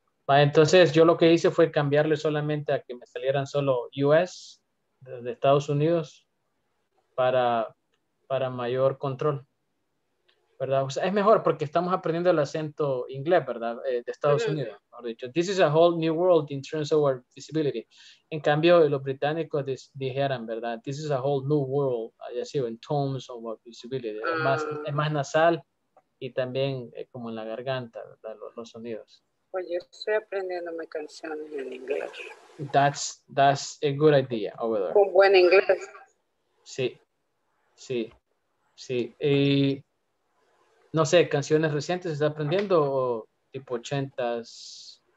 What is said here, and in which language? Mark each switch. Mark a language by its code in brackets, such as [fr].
[es] Va, entonces, yo lo que hice fue cambiarle solamente a que me salieran solo US, de Estados Unidos, para mayor control, ¿verdad? O sea, es mejor porque estamos aprendiendo el acento inglés, ¿verdad? De Estados Unidos, mejor dicho. [en] This is a whole new world in terms of our visibility. [es] En cambio, los británicos dijeran, ¿verdad? [en] This is a whole new world, ya sea, in terms of our visibility. [es] Es más nasal y también como en la garganta, ¿verdad? Los sonidos. Pues yo estoy aprendiendo mi canción en inglés. [en] That's a good idea over there. [es] Con buen inglés. Sí. Sí, sí. Y no sé, ¿canciones recientes se está aprendiendo o tipo 80s?